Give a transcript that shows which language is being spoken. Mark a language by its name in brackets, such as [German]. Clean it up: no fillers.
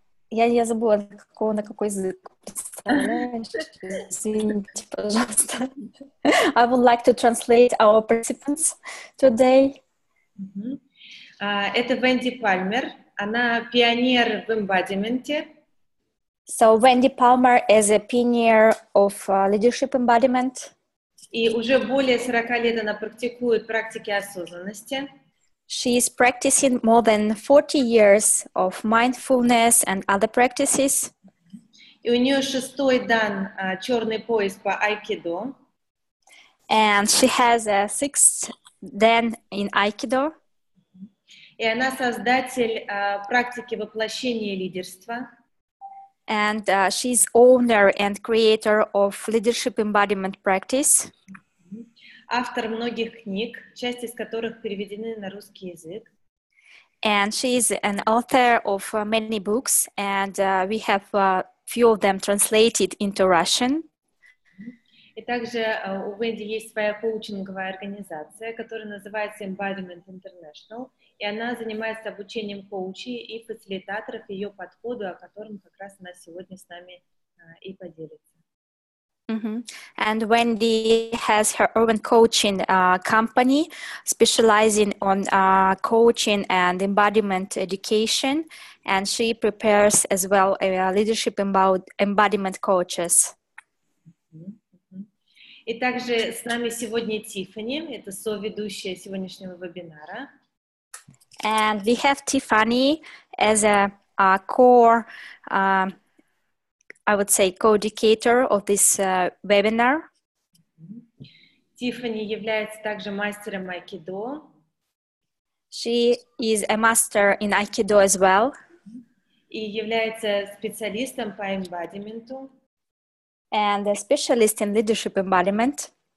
[Russian] Я забыла, на какой язык представляешь. Извините, пожалуйста. [English] I would like to translate our participants today. [Russian] Это Венди Пальмер. Она пионер в эмбодименте. [English] So Wendy Palmer is a pioneer of leadership embodiment. [Russian] И уже более 40 лет она практикует практики осознанности. [English] She is practicing more than 40 years of mindfulness and other practices. [Russian] И у нее 6-й дан черный пояс по айкидо. [English] And she has a 6th dan in aikido. [Russian] И она создатель практики воплощения лидерства. [English] And she's owner and creator of leadership embodiment practice. [Russian] Автор многих книг, часть из которых переведены на русский язык. [English] And she is an author of many books, and we have few of them translated into Russian. [Russian] И также у Венди есть своя коучинговая организация, которая называется Embodiment International, и она занимается обучением коучей и фасилитаторов ее подходу, о котором как раз она сегодня с нами и поделится. Mm-hmm. [English] And Wendy has her own coaching company specializing on coaching and embodiment education, and she prepares as well leadership embodiment coaches. [Russian] И также с нами сегодня Тиффани, это соведущая сегодняшнего вебинара. [English] And we have Tiffany as a core, I would say, co-educator of this webinar. [Russian] Тиффани является также мастером айкидо. [English] She is a master in aikido as well. [Russian] И является специалистом по эмбодименту. [English] And a specialist in leadership embodiment.